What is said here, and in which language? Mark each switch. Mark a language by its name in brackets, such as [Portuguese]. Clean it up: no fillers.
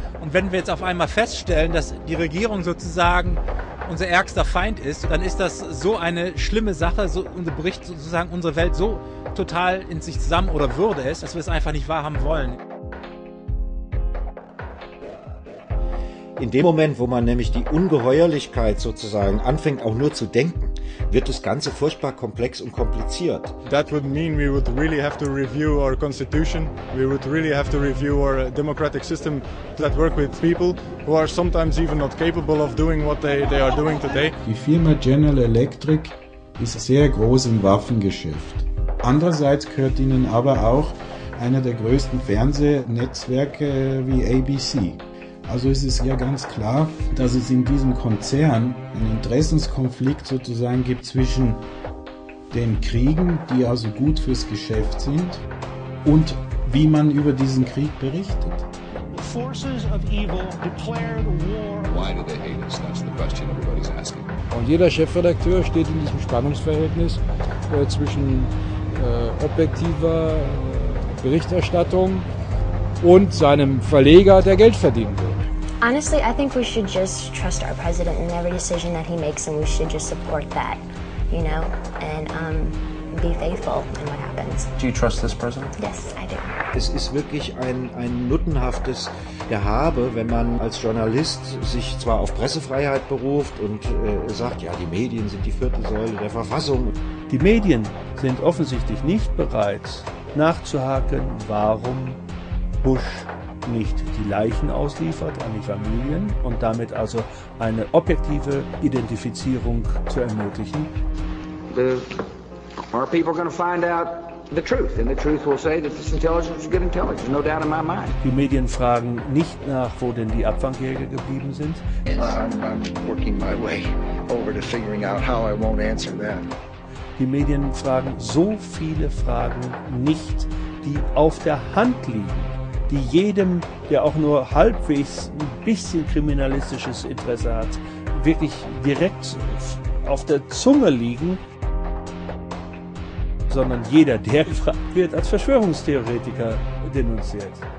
[German] Und wenn wir jetzt auf einmal feststellen, dass die Regierung sozusagen unser ärgster Feind ist, dann ist das so eine schlimme Sache, so bricht sozusagen unsere Welt so total in sich zusammen oder würde es, dass wir es einfach nicht wahrhaben wollen. In dem Moment, wo man nämlich die Ungeheuerlichkeit sozusagen anfängt, auch nur zu denken, wird das Ganze furchtbar komplex und kompliziert. [English] That would mean we would really have to review our constitution. We would really have to review our democratic system that work with people who are sometimes even not capable of doing what they are doing today. [German] Die Firma General Electric ist sehr groß im Waffengeschäft. Andererseits gehört ihnen aber auch einer der größten Fernsehnetzwerke wie ABC. Also es ist ja ganz klar, dass es in diesem Konzern einen Interessenskonflikt sozusagen gibt zwischen den Kriegen, die also gut fürs Geschäft sind, und wie man über diesen Krieg berichtet. [English] Forces of evil declare the war. Why do they hate us? That's the question everybody's asking. [German] Und jeder Chefredakteur steht in diesem Spannungsverhältnis zwischen objektiver Berichterstattung und seinem Verleger, der Geld verdienen will. [English] Honestly, I think we should just trust our president in every decision that he makes, and we should just support that, you know, and be faithful in what happens. Do you trust this president? Yes, I do. [German] Es ist wirklich ein nuttenhaftes Gehabe, wenn man als Journalist sich zwar auf Pressefreiheit beruft und sagt, ja, die Medien sind die vierte Säule der Verfassung. Die Medien sind offensichtlich nicht bereit, nachzuhaken, warum Bush nicht die Leichen ausliefert an die Familien und damit also eine objektive Identifizierung zu ermöglichen. [English] Our people are going to find out the truth, and the truth will say that this intelligence is good intelligence, no doubt in my mind. [German] Die Medien fragen nicht nach, wo denn die Abfangjäger geblieben sind. [English] I'm working my way over to figuring out how I won't answer that. [German] Die Medien fragen so viele Fragen nicht, die auf der Hand liegen, die jedem, der auch nur halbwegs ein bisschen kriminalistisches Interesse hat, wirklich direkt auf der Zunge liegen, sondern jeder, der gefragt wird, als Verschwörungstheoretiker denunziert.